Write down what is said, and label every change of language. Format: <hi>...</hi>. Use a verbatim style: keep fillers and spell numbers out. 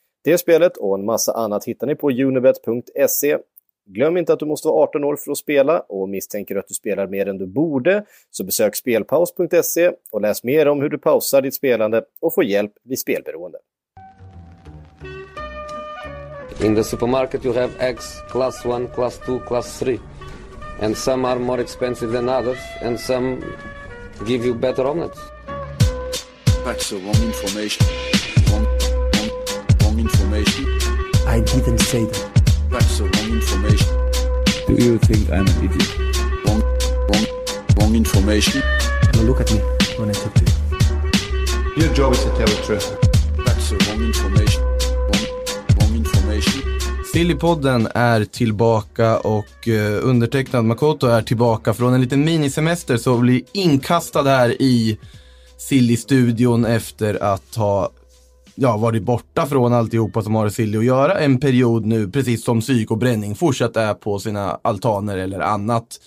<sv>Det spelet och en massa annat hittar ni på unibet punkt se. Glöm inte att du måste vara arton år för att spela och misstänker att du spelar mer än du borde så besök spelpaus punkt se och läs mer om hur du pausar ditt spelande och får hjälp vid spelberoende.</sv> <en>In the supermarket you have eggs class one, class two, class three and some are more expensive than others and some give you better omelets. That's the wrong information. Wrong, wrong, wrong information. I didn't say that. That's the wrong information. Do you think I'm an idiot? Wrong, wrong, wrong information. Now look at me when I talk to you. Your job is to tell the truth. That's the wrong information. Wrong, wrong information.</en> <sv>Sillypodden är tillbaka och eh, undertecknad Makoto är tillbaka från en liten minisemester så blir inkastad här i Silly-studion efter att ha ja, varit borta från alltihopa som har Silly att göra en period nu, precis som psyk och bränning fortsatt är på sina altaner eller annat.</sv>